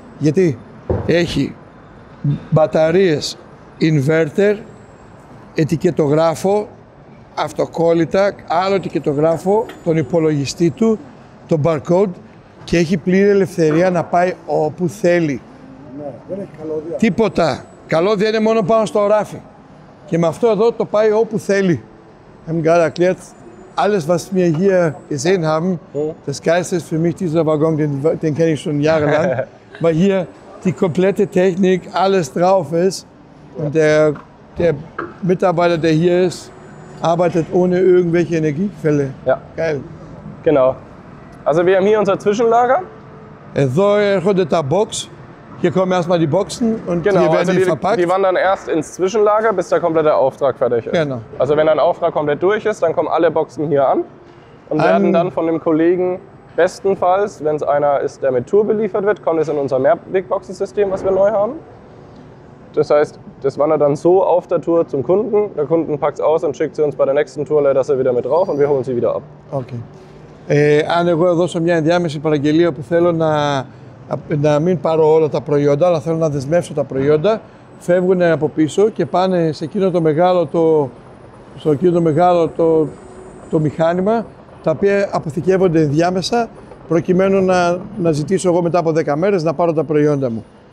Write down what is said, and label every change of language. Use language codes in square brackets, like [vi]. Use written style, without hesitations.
[el] Γιατί έχει μπαταρίες, inverter, ετικετογράφο, αυτοκόλλητα, άλλο ετικετογράφο, τον υπολογιστή του, τον barcode και έχει πλήρη ελευθερία να πάει όπου θέλει. Ναι, δεν έχει καλώδια. Τίποτα. Καλώδια είναι μόνο πάνω στο ράφι. Και με αυτό εδώ το πάει όπου θέλει. [de] Haben gerade erklärt, alles, was wir hier gesehen haben, das Geilste ist für mich dieser Waggon, den kenne ich schon jahrelang, weil hier die komplette Technik, alles drauf ist. Und der Mitarbeiter, der hier ist, arbeitet ohne irgendwelche Energiequelle. Ja. Geil. Genau. Also wir haben hier unser Zwischenlager. [el] Εδώ έρχονται τα Box. [de] Hier kommen erstmal die Boxen und genau, hier werden also die verpackt. Die wandern erst ins Zwischenlager, bis der komplette Auftrag fertig ist. Genau. Also wenn ein Auftrag komplett durch ist, dann kommen alle Boxen hier an und werden dann von dem Kollegen bestenfalls, wenn es einer ist, der mit Tour beliefert wird, kommt es in unser Mehrwegboxensystem, was wir neu haben. Das heißt, das wandert dann so auf der Tour zum Kunden. Der Kunden packt es aus und schickt sie uns bei der nächsten Tour leider sie wieder mit drauf und wir holen sie wieder ab. Okay. [el] Αν εγώ δώσω μια ενδιάμεση παραγγελία που θέλω να μην πάρω όλα τα προϊόντα, αλλά θέλω να δεσμεύσω τα προϊόντα, φεύγουν από πίσω και πάνε σε εκείνο το μεγάλο το μηχάνημα, τα οποία αποθηκεύονται διάμεσα, προκειμένου να ζητήσω εγώ μετά από 10 μέρες να πάρω τα προϊόντα μου.